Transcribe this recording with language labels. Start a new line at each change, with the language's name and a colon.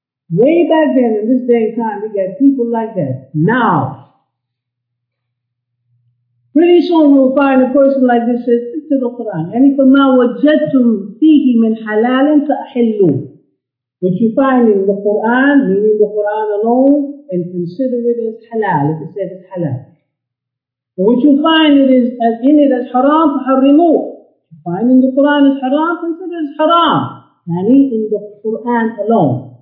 English: Way back then, in this day and time, we got people like that. Now, pretty soon you'll find a person like this says, stick to the Quran. And if now
Arabic: وَجَدْتُمْ فِيهِ مِنْ حَلَالٍ فَأَحِلُّوا.
English: What you find in the Quran, meaning the Quran alone, and consider it as halal, if it says it's halal. What you find it is as in it as haram, harimu. You find in the Quran is haram, consider it as haram. Yani in the Quran alone.